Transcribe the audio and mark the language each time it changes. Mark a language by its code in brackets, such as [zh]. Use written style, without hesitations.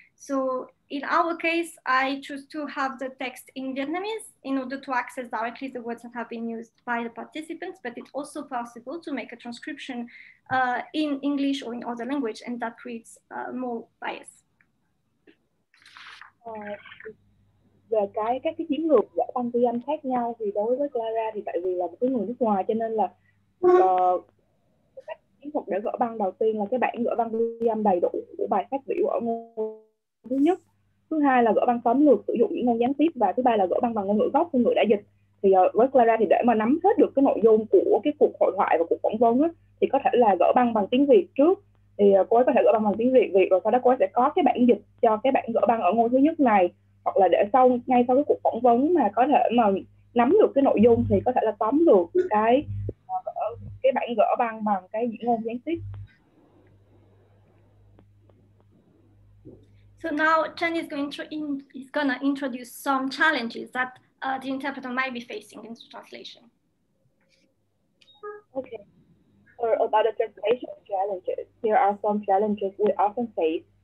[en] So in our case, I choose to have the text in Vietnamese in order to access directly the words that have been used by the participants, but it's also possible to make a transcription in English or in other language, and that creates more bias. [vi] Về cái các cái chiến lược giải văn tiếng Anh khác nhau thì đối với Clara thì tại vì là một cái người nước ngoài cho nên là chiến thuật để gỡ băng đầu tiên là cái bản gỡ băng ghi âm đầy đủ của bài phát biểu ở ngôn thứ nhất. Thứ hai là gỡ băng tóm lược sử dụng những ngôn gián tiếp. Và thứ ba là gỡ băng bằng ngôn ngữ gốc của người đã dịch. Thì với Clara thì để mà nắm hết được cái nội dung của cái cuộc hội thoại và cuộc phỏng vấn á, thì có thể là gỡ băng bằng tiếng Việt trước. Thì cô ấy có thể gỡ băng bằng tiếng Việt, Việt, rồi sau đó cô ấy sẽ có cái bản dịch cho cái bản gỡ băng ở ngôn thứ nhất này. Hoặc là để sau ngay sau cái cuộc phỏng vấn mà có thể mà nắm được cái nội dung thì có thể là tóm được cái bản gỡ băng bằng cái diễn ngôn gián tiếp. [en] So now Chen is going to introduce some challenges that the interpreter might be facing in the translation. Okay. So about the translation challenges, here are some challenges we often face.